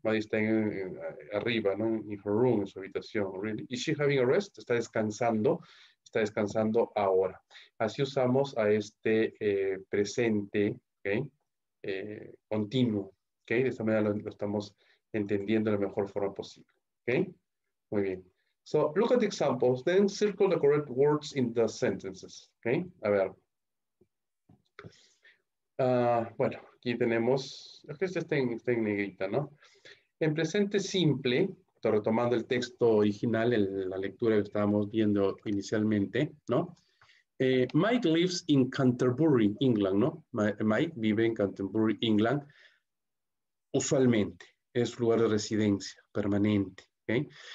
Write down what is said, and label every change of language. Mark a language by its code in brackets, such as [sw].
[es] Maddie está arriba, ¿no? [en] In her room, [es] en su habitación. [en] Really. Is she having a rest? [es] Está descansando ahora. Así usamos a este presente, ¿ok? Continuo, ¿ok? De esta manera lo estamos entendiendo de la mejor forma posible, ¿ok? Muy bien. [en] So, look at the examples, then circle the correct words in the sentences, [es] a ver. Bueno, aquí tenemos, este está en negrita, ¿no? En presente simple, retomando el texto original, la lectura que estábamos viendo inicialmente, ¿no? [en] Mike lives in Canterbury, England, [es] ¿no? Mike vive en Canterbury, England, usualmente, es su lugar de residencia permanente, ¿ok?